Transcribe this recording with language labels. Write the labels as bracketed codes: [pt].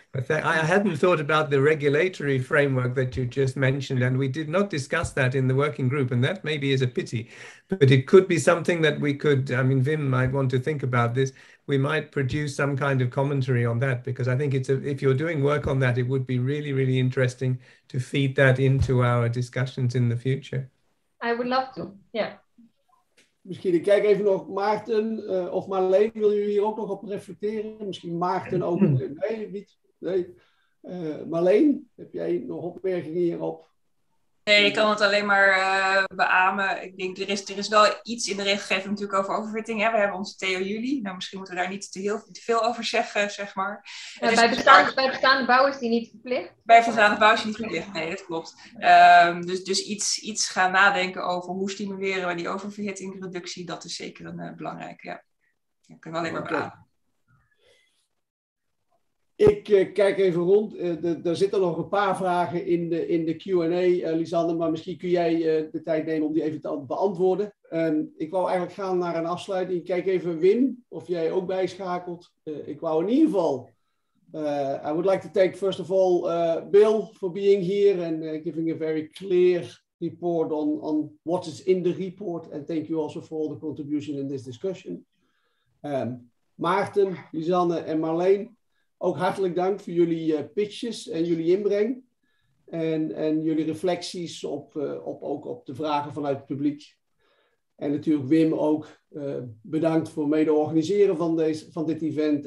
[en] I hadn't thought about the regulatory framework that you just mentioned, and we did not discuss that in the working group, and that maybe is a pity, but it could be something that we could, I mean, Wim might want to think about this. We might produce some kind of commentary on that, because I think if you're doing work on that, it would be really, really interesting to feed that into our discussions in the future. I would love to, yeah. [nl] Misschien, ik kijk even nog Maarten of Marleen, wil je hier ook nog op reflecteren? Misschien Maarten ook? Nee, niet. Nee. Marleen, heb jij nog opmerkingen hierop? Nee, ik kan het alleen maar beamen. Ik denk, er is wel iets in de regelgeving natuurlijk over overfitting. Hè? We hebben onze Theo Juli. Nou, misschien moeten we daar niet te veel over zeggen, zeg maar. Bij bestaande bouwers die niet verplicht? Bij bestaande bouwers die niet verplicht, nee, dat klopt. Dus iets gaan nadenken over hoe stimuleren we die oververhittingreductie. Dat is zeker een belangrijke, ja. Dat kunnen we alleen maar beamen. Ik kijk even rond. Er zitten nog een paar vragen in de Q&A, Lisanne. Maar misschien kun jij de tijd nemen om die even te beantwoorden. Ik wou eigenlijk gaan naar een afsluiting. Ik kijk even Wim, of jij ook bijschakelt. Ik wou in ieder geval... [en] I would like to thank first of all Bill for being here and giving a very clear report on what is in the report. And thank you also for all the contribution in this discussion. [nl] Maarten, Lisanne en Marleen... Ook hartelijk dank voor jullie pitches en jullie inbreng. En jullie reflecties op de vragen vanuit het publiek. En natuurlijk Wim ook bedankt voor mede organiseren van dit event.